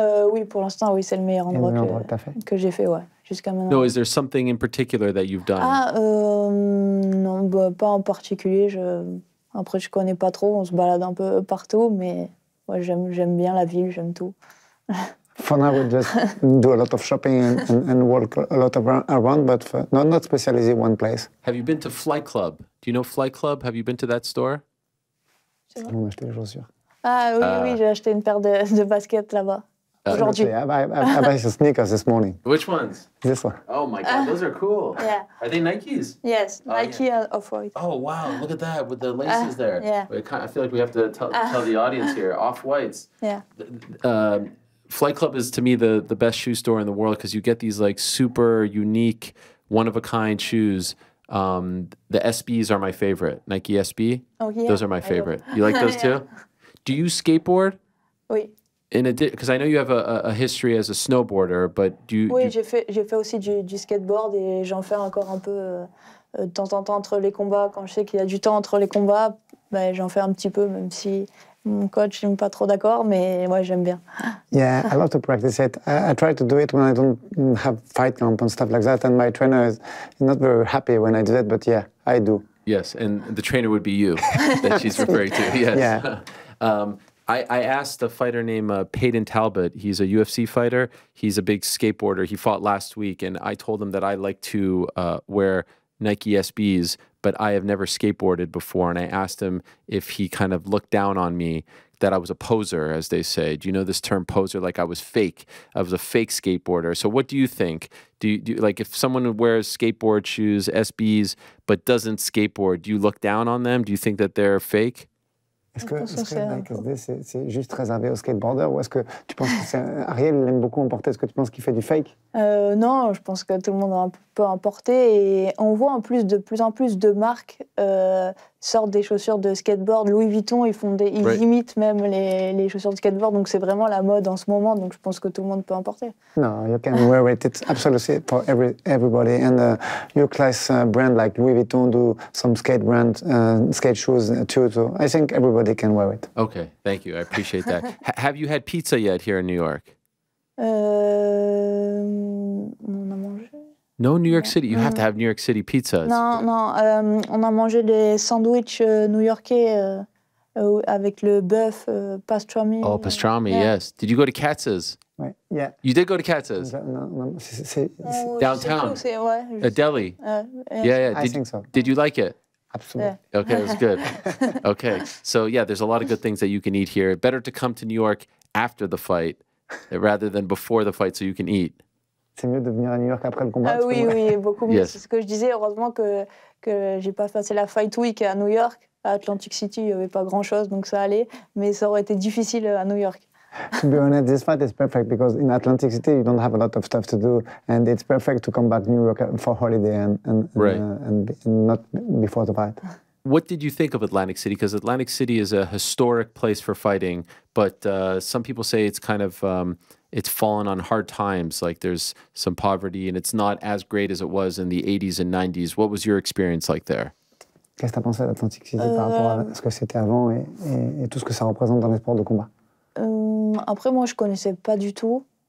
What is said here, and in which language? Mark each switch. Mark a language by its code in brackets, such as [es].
[fr] Oui, pour l'instant, oui, c'est le meilleur endroit que j'ai fait, ouais, jusqu'à maintenant. [en] No, is there something in particular that you've done? [fr] Non, bah, pas en particulier, je... Après, je connais pas trop, on se balade un peu partout, mais ouais, j'aime bien la ville, j'aime tout. [en] For now, we just do a lot of shopping and walk a lot around, but not specialized in one place. Have you been to Flight Club? Do you know Flight Club? Have you been to that store? [fr] J'ai acheté les chaussures. Ah oui, oui, j'ai acheté une paire de baskets là-bas. [en] I bought some sneakers this morning. Which ones? This one. Oh my God, those are cool. Yeah. Are they Nikes? Yes, Nike Off-White. Oh wow, look at that with the laces there. Yeah. I feel like we have to tell the audience here, Off-Whites. Yeah. Flight Club is to me the best shoe store in the world because you get these like super unique, one-of-a-kind shoes. The SBs are my favorite. Nike SB? Oh yeah. Those are my favorite. You like those too? Do you skateboard? [fr] Oui. [en] Because I know you have a history as a snowboarder, but do you... [fr] Oui, j'ai fait aussi du skateboard et j'en fais encore un peu de temps en temps entre les combats. Quand je sais qu'il y a du temps entre les combats, ben, j'en fais un petit peu, même si mon coach n'est pas trop d'accord, mais moi, ouais, j'aime bien. [en] Yeah, I love to practice it. I try to do it when I don't have fight camp and stuff like that, and my trainer is not very happy when I do it, but yeah, I do. Yes, and the trainer would be you that she's referring to, yes. Yeah. I asked a fighter named Peyton Talbot. He's a UFC fighter. He's a big skateboarder. He fought last week, and I told him that I like to wear Nike SBs, but I have never skateboarded before. And I asked him if he kind of looked down on me that I was a poser, as they say. Do you know this term poser? Like I was fake. I was a fake skateboarder. So what do you think? Do you like if someone wears skateboard shoes, SBs, but doesn't skateboard, do you look down on them? Do you think that they're fake? [fr] Est-ce que c'est juste réservé aux skateboarders ou est-ce que tu penses que c'est, Ariel l'aime beaucoup en porter, est-ce que tu penses qu'il fait du fake? Non, je pense que tout le monde peut en porter et on voit en plus de plus en plus de marques sortent des chaussures de skateboard. Louis Vuitton, ils imitent même les chaussures de skateboard, donc c'est vraiment la mode en ce moment, donc je pense que tout le monde peut en porter. Non, [en] you can wear it, it's absolutely for everybody. And your class brand like Louis Vuitton do some skate brand, skate shoes too, so I think everybody can wear it. Okay, thank you, I appreciate that. Have you had pizza yet here in New York? [fr] On a mangé. [en] No New York City. You have to have New York City pizzas. [fr] Non. On a mangé des sandwichs new-yorkais avec le bœuf pastrami. [en] Oh, pastrami, yeah. Yes. Did you go to Katz's? [fr] Ouais. [en] Yeah. You did go to Katz's? No, downtown? [fr] Ouais, [en] a deli? Yeah. I think so. Did you like it? Absolutely. Yeah. Okay, it was good. Okay. So, yeah, there's a lot of good things that you can eat here. Better to come to New York after the fight rather than before the fight so you can eat. [fr] C'est mieux de venir à New York après le combat. Oui, beaucoup mieux. [en] Yes. [fr] C'est ce que je disais. Heureusement que j'ai pas passé la Fight Week à New York, à Atlantic City. Il y avait pas grand chose, donc ça allait. Mais ça aurait été difficile à New York. [en] To be honest, this fight is perfect because in Atlantic City you don't have a lot of stuff to do, and it's perfect to come back New York for holiday and not before the fight. What did you think of Atlantic City? Because Atlantic City is a historic place for fighting, but some people say it's kind of it's fallen on hard times, like there's some poverty and it's not as great as it was in the 80s and 90s. What was your experience like there? [fr] Qu'est-ce que tu as pensé à l'Atlantic City par rapport à ce que c'était avant et tout ce que ça représente dans les sports de combat? Après, moi, je ne connaissais pas du tout.